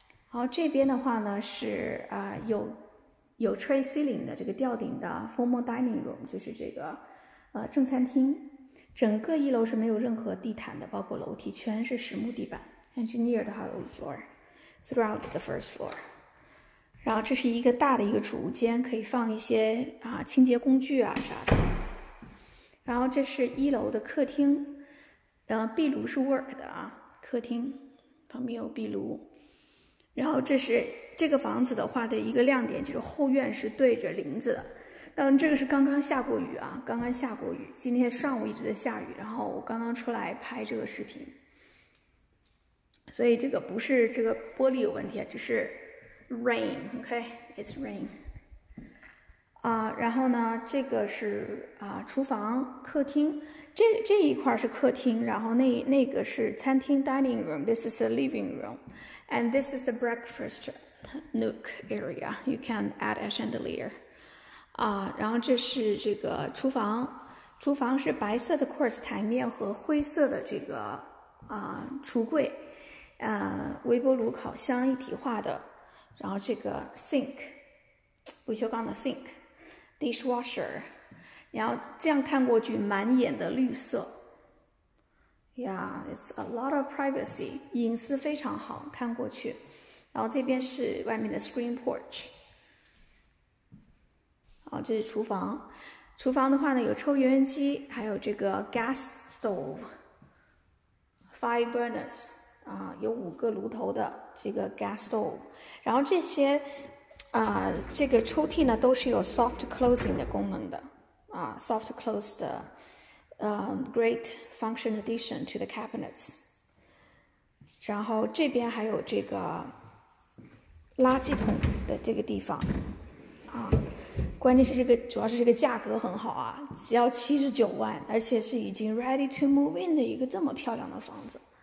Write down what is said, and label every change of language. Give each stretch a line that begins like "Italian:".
Chinese: 然后这边的话呢是有 tray ceiling 的这个吊顶的 formal dining room， 就是这个正餐厅。整个一楼是没有任何地毯的，包括楼梯，全是实木地板。
English: Engineered hardwood floor throughout the first floor。
Chinese: 然后这是一个大的一个储物间，可以放一些清洁工具啊啥的。然后这是一楼的客厅，壁炉是 work 的啊，客厅旁边有壁炉。然后这是这个房子的话的一个亮点，就是后院是对着林子的。但这个是刚刚下过雨啊，刚刚下过雨，今天上午一直在下雨，然后我刚刚出来拍这个视频，所以这个不是这个玻璃有问题，只是 rain，
English: OK，it's rain。
Chinese: 然后呢，这个是厨房、客厅，这一块是客厅，然后那个是餐厅 dining room，
English: this is the living room，and this is the breakfast nook area，you can add a chandelier。
Chinese: 然后这是这个厨房，厨房是白色的 quartz 台面和灰色的这个橱柜，微波炉、烤箱一体化的，然后这个 sink 不锈钢的 sink，dishwasher，然后这样看过去满眼的绿色，
English: Yeah，it's a lot of privacy，
Chinese: 隐私非常好，看过去，然后这边是外面的 screen porch。好，这是厨房。厨房的话呢，有抽油烟机，还有这个 gas stove，fire burners，有5个炉头的这个 gas stove。然后这些，这个抽屉呢，都是有 soft closing 的功能的，soft close 的，
English: great function addition to the cabinets。
Chinese: 然后这边还有这个垃圾桶的这个地方，关键是这个，主要是这个价格很好啊，只要79万，而且是已经
English: ready to move in
Chinese: 的一个这么漂亮的房子。